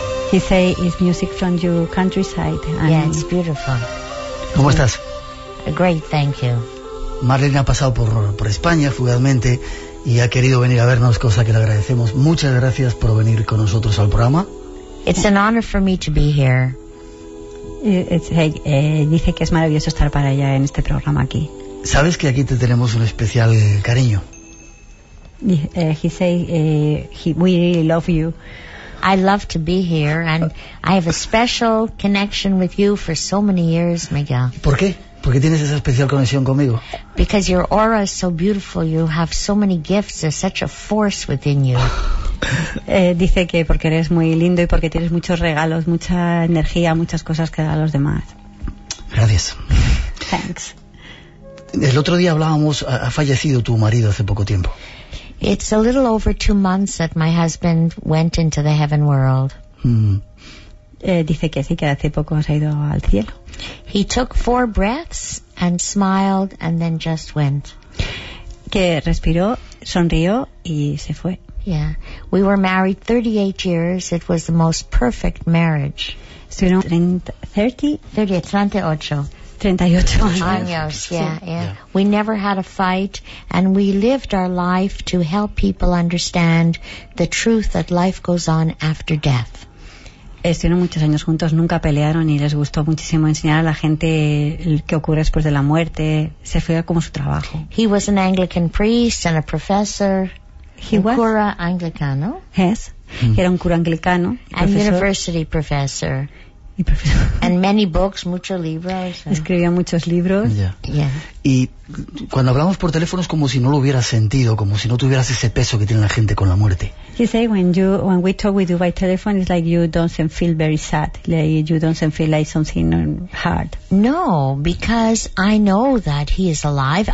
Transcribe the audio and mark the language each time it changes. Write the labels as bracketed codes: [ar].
[en] You say it's music from your countryside. Yeah, it's beautiful. [es] ¿Cómo estás? [en] Great, thank you. [es] Marlene ha pasado por España fugazmente y ha querido venir a vernos, cosa que le agradecemos. Muchas gracias por venir con nosotros al programa. [en] It's an honor for me to be here. [es] Dice que es maravilloso estar para ella en este programa aquí. ¿Sabes que aquí te tenemos un especial cariño? [en] We really love you. I love to be here, and I have a special connection with you for so many years, Miguel. [es] ¿Por qué? ¿Por qué tienes esa especial conexión conmigo? [en] Because your aura is so beautiful, you have so many gifts, there's such a force within you. [es] Dice que porque eres muy lindo y porque tienes muchos regalos, mucha energía, muchas cosas que da a los demás. Gracias. [en] Thanks. [es] El otro día hablábamos, ha fallecido tu marido hace poco tiempo. [en] It's a little over 2 months that my husband went into the heaven world. [es] Dice que sí, que hace poco se ha ido al cielo. [en] He took 4 breaths and smiled and then just went. [es] Que respiró, sonrió y se fue. [en] Yeah. We were married 38 years. It was the most perfect marriage. [es] Estuvieron 38 años. [en] Yeah. We never had a fight, and we lived our life to help people understand the truth that life goes on after death. [es] Estuvieron muchos años juntos, nunca pelearon y les gustó muchísimo enseñar a la gente qué ocurre después de la muerte. Se fue como su trabajo. [en] He was an Anglican priest and a professor. He was. [es] Cura anglicano. [en] Yes. [es] Era un cura anglicano. [en] And university professor. And many books, [es] muchos libros. Escribía muchos libros. [en] Yeah. [es] Y cuando hablamos por teléfono es como si no lo hubieras sentido, como si no tuvieras ese peso que tiene la gente con la muerte. [en] You say when we talk with you by telephone, it's like you don't feel very sad. Like you don't feel like something hard. No, because I know that he is alive.